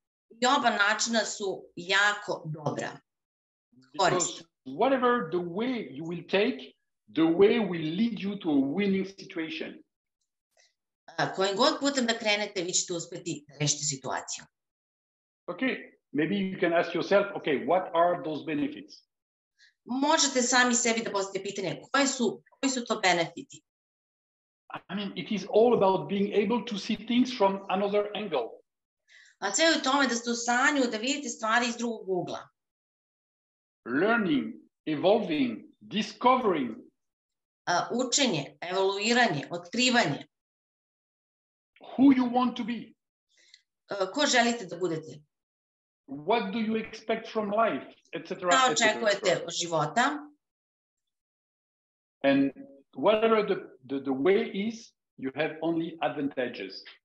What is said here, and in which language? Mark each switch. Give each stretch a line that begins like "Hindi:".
Serbian: I oba načina su jako dobra. Korist.
English: Whatever the way you will take, the way will lead you to a winning situation.
Serbian: Kojim god putem da krenete, vi ćete uspjeti rešiti situaciju.
English: Okay, maybe you can ask yourself, okay, what are those benefits?
Serbian: Možete sami sebi da postavite pitanje, koji su to benefiti?
English: I mean, it is all about being able to see things from another angle.
Serbian: A sve u tome da ste u stanju da vidite stvari iz drugog ugla.
English: Learning, evolving, discovering.
Serbian: Učenje, evoluiranje, otkrivanje.
English: Who you want to be?
Serbian: Ko želite da budete?
English: What do you expect from life, etc.
Serbian: Šta očekujete od života?
English: And whatever the way is, you have only advantages.